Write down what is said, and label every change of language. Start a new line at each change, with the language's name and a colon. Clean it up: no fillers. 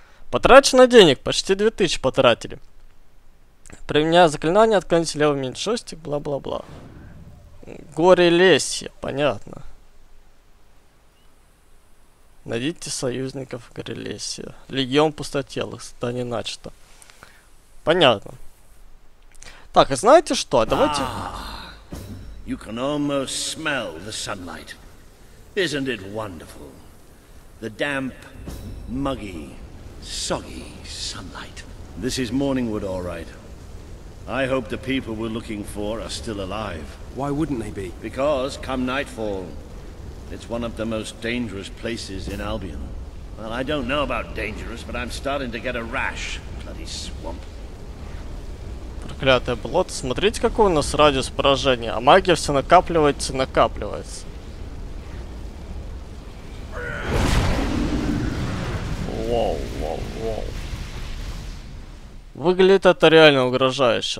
Russian: Потрачено денег, почти 2000 потратили. Применяя заклинание, отклоните левый меньшостик, бла-бла-бла. Горе лесье, понятно. Найдите союзников в горе лесье. Легион пустотелых, здание начато. Понятно. Так, и знаете что, давайте...
English: You can almost smell the sunlight. Isn't it wonderful? The damp, muggy, soggy sunlight. This is Morningwood, all right. I hope the people we're looking for are still alive. Why wouldn't they be? Because, come nightfall, it's one of the most dangerous places in Albion. Well, I don't know about dangerous, but I'm starting to get a rash. Bloody swamp.
Russian: Проклятое болото, смотрите, какой у нас радиус поражения, а магия все накапливается и накапливается. Воу, воу, воу. Выглядит это реально угрожающе.